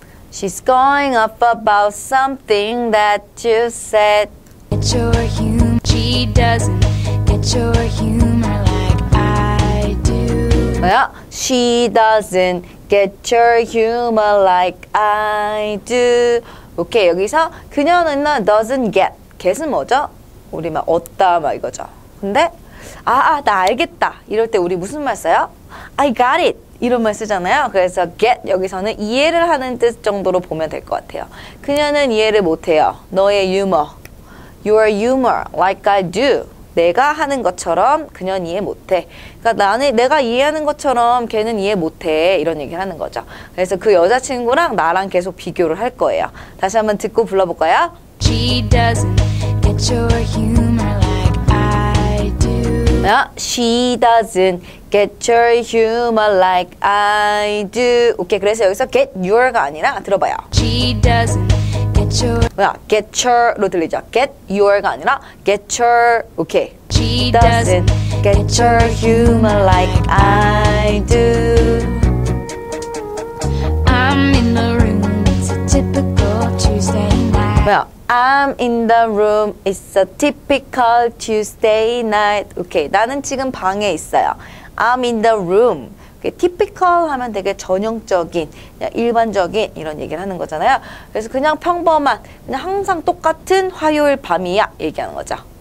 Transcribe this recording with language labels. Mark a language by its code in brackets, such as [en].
[en] She's going off about something that you said. Get your humor. She doesn't get your humor like I do. [ko] 뭐야? [en] She doesn't get your humor like I do. [ko] 오케이, 여기서 그녀는 [en] doesn't get. [ko] Get은 뭐죠? 우리 막 얻다 막 이거죠. 근데 나 알겠다 이럴 때 우리 무슨 말 써요? [en] I got it. [ko] 이런 말 쓰잖아요. 그래서 get 여기서는 이해를 하는 뜻 정도로 보면 될 것 같아요. 그녀는 이해를 못해요. 너의 유머. [en] Your humor like I do. [ko] 내가 하는 것처럼 그녀는 이해 못해. 그러니까 내가 이해하는 것처럼 걔는 이해 못해. 이런 얘기를 하는 거죠. 그래서 그 여자친구랑 나랑 계속 비교를 할 거예요. 다시 한번 듣고 불러볼까요? [en] She doesn't get your humor like I do. She doesn't get your humor like I do. [ko] 오케이, 그래서 여기서 [en] get your [ko] 가 아니라 들어봐요. [en] She doesn't get your. [ko] 뭐야? Get your로 들리죠? Get your가 아니라 [en] get your. [ko] 오케이. [en] She doesn't get your humor like I do. I'm in the room. It's a typical Tuesday night. [ko] 뭐야? [en] I'm in the room. It's a typical Tuesday night. [ko] 오케이, 나는 지금 방에 있어요. [en] I'm in the room. [ko] typical 하면 되게 전형적인, 그냥 일반적인 이런 얘기를 하는 거잖아요. 그래서 그냥 평범한, 그냥 항상 똑같은 화요일 밤이야 얘기하는 거죠.